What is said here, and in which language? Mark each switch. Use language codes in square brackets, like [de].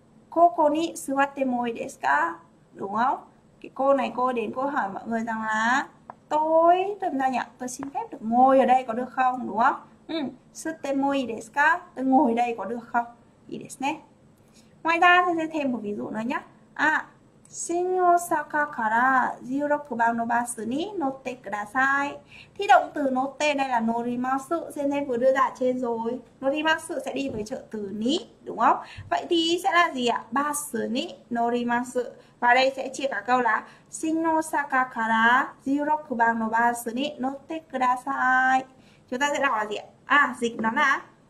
[ja] Koko ni suwatte moi desu ka? Đúng không? [vi] Cái cô này cô đến cô hỏi mọi người rằng là tôi làm sao nhỉ? Tôi xin phép được ngồi ở đây có được không? Đúng không? [ja] Suwatte moi desu ka? [vi] Tôi ngồi đây có được không? [ja] Ii desu ne. [vi] Ngoài ra tôi sẽ thêm một ví dụ nữa nhé. [ja] À, Shin Osaka から16番のバスに乗ってください。 [vi] Thì động từ乗って đây là norimasu. Sensei vừa đưa ra trên rồi. Norimasu sẽ đi với trợ từ ni, đúng không? Vậy thì sẽ là gì ạ? [ja] Basu ni norimasu. [vi] Và đây sẽ chia cả câu là [ja] Shin Osaka から16番のバスに乗ってください。 [vi] Chúng ta sẽ đọc là gì ạ? À, dịch nó là